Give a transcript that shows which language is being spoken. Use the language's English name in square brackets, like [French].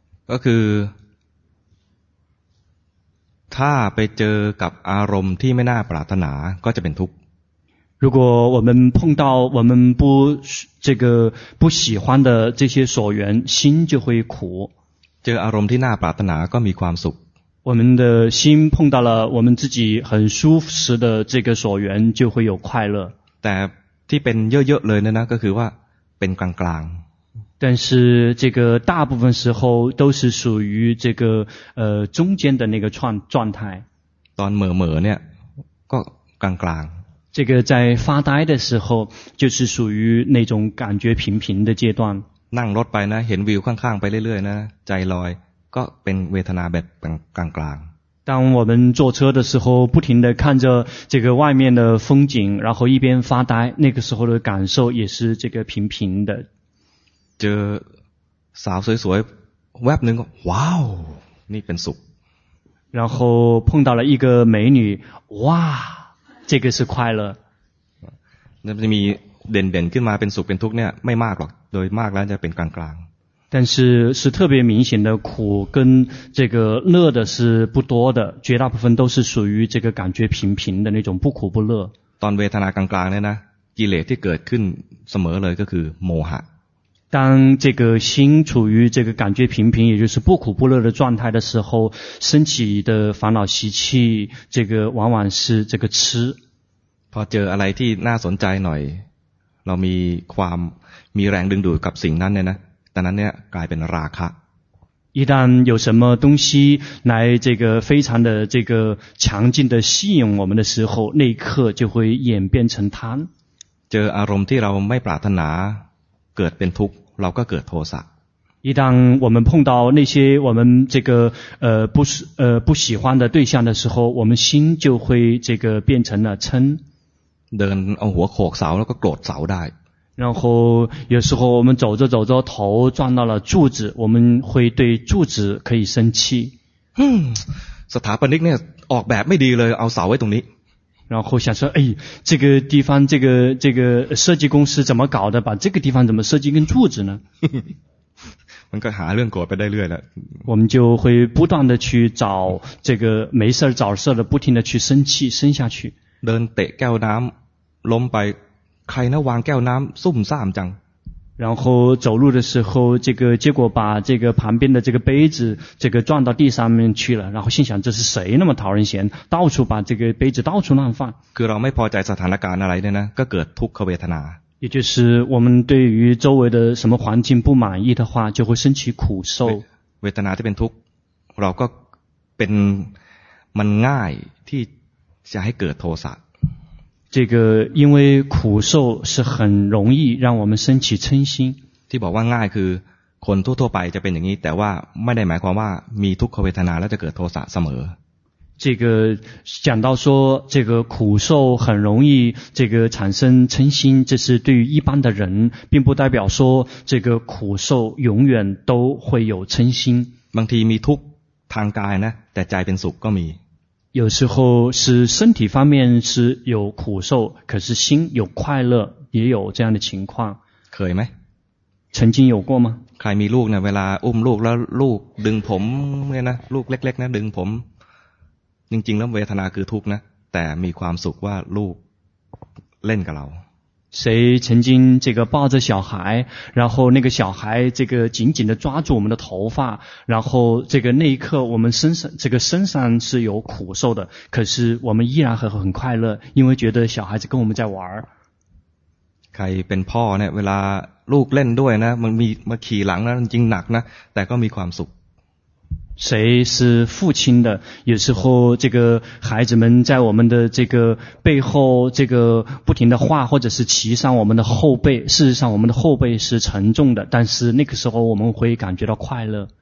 [Thai] ก็คือถ้าไปเจอกับอารมณ์ที่ไม่น่าปรารถนาก็จะเป็นทุกข์ [Chinese] 如果我们碰到我们不这个不喜欢的这些所缘心就会苦 [Thai] เจออารมณ์ที่น่าปรารถนาก็มีความสุข [Chinese] 我们的心碰到了我们自己很舒适的这个所缘就会有快乐 [Thai] แต่ที่เป็นเยอะๆเลยนะก็คือว่าเป็นกลาง [Chinese] ๆ但是这个大部分时候都是属于这个中间的那个状态 [Thai] ตอนเหม่อๆเนี่ยก็กลางๆ [Chinese] 这个在发呆的时候就是属于那种感觉平平的阶段 [Thai] นั่งรถไปนะเห็นวิวข้างๆไปเรื่อยๆนะใจลอยก็เป็นเวทนาแบบกลาง [Chinese] ๆ当我们坐车的时候不停地看着这个外面的风景然后一边发呆那个时候的感受也是这个平平的 [Thai] เจอสาวสวยๆแวบนึงก็ว้าวนี่เป็นสุข [Chinese] 然后碰到了一个美女哇这个是快乐 [Thai] 那么มีเด่นๆขึ้นมาเป็นสุขเป็นทุกข์เนี่ยไม่มากหรอกโดยมากแล้วจะเป็นกลาง [Chinese] ๆ但是特别明显的苦跟这个乐的是不多的绝大部分都是属于这个感觉平平的那种不苦不乐 [Thai] ตอนเวทนากลางๆเนี่ยนะ กิเลสที่เกิดขึ้นเสมอเลยก็คือโมหะ [Chinese] 当这个心处于这个感觉平平也就是不苦不乐的状态的时候升起的烦恼习气这个往往是这个痴 [Thai] พอเจออะไรที่น่าสนใจหน่อยเรามีความมีแรงดึงดูดกับสิ่งนั้นเนี่ยนะตอนนั้นเนี่ยกลายเป็นราคะ [Chinese] 一旦有什么东西来这个非常的这个强劲的吸引我们的时候那一刻就会演变成贪 [Thai] เจออารมณ์ที่เราไม่ปรารถนาเกิดเป็นทุกข์เราก็เกิดโทสะ [Chinese] 一旦我们碰到那些我们这个不喜欢的对象的时候我们心就会这个变成了嗔 [Thai] เดินเอาหัวโขกเสาแล้วก็โกรธเสาได้ [Chinese] 然后有时候我们走着走着头撞到了柱子我们会对柱子可以生气 [Thai] สถาปนิกเนี่ยออกแบบไม่ดีเลยเอาเสาไว้ตรงนี้ [Chinese] 然后想说，哎，这个地方，这个设计公司怎么搞的？把这个地方怎么设计跟柱子呢？我们该还论过不带论了。我们就会不断的去找这个没事找事的，不停的去生气，生下去。 [Thai] เดินเตะแก้วน้ำล้มไปใครนะวางแก้วน้ำซุ่มซ่ามจัง [Chinese] 然后走路的时候，这个结果把这个旁边的这个杯子，这个撞到地上面去了。然后心想，这是谁那么讨人嫌，到处把这个杯子到处乱放。 [Thai] คือเราไม่พอใจสถานการณ์อะไรเนี่ยนะก็เกิดทุกขเวทนา。 [Chinese] 也就是我们对于周围的什么环境不满意的话，就会升起苦受。 [Thai] เวทนาที่เป็นทุกข์เราก็เป็นมันง่ายที่จะให้เกิดโทสะ。 [Chinese] 这个因为苦受是很容易让我们升起嗔心。 [Thai] ที่บอกว่าง่ายคือคนทั่วๆไปจะเป็นอย่างนี้แต่ว่าไม่ได้หมายความว่ามีทุกขเวทนาแล้วจะเกิดโทสะเสมอ。 [Chinese] 这个讲到说这个苦受很容易这个产生嗔心，这是对于一般的人，并不代表说这个苦受永远都会有嗔心。 [Thai] บางทีมีทุกข์ทางกายนะแต่ใจเป็นสุขก็มี。 [Chinese] 有时候是身体方面是有苦受，可是心有快乐，也有这样的情况。可以没？曾经有过吗？ [Thai] ใครมีลูกเนี่ยเวลาอุ้มลูกแล้วลูกดึงผมเนี่ยนะลูกเล็กๆนะดึงผมจริงๆแล้วเวทนาคือทุกข์นะแต่มีความสุขว่าลูกเล่นกับเรา [Chinese] 谁曾经这个抱着小孩，然后那个小孩这个紧紧的抓住我们的头发，然后这个那一刻我们身上这个身上是有苦受的，可是我们依然很快乐，因为觉得小孩子跟我们在玩。 [Thai] ใครเป็นพ่อเนี่ยเวลาลูกเล่นด้วยนะมันมีมาขี่หลังนะจริงหนักนะแต่ก็มีความสุข [Chinese] 谁是父亲的？有时候这个孩子们在我们的这个背后，这个不停的画或者是骑上我们的后背。事实上，我们的后背是沉重的，但是那个时候我们会感觉到快乐。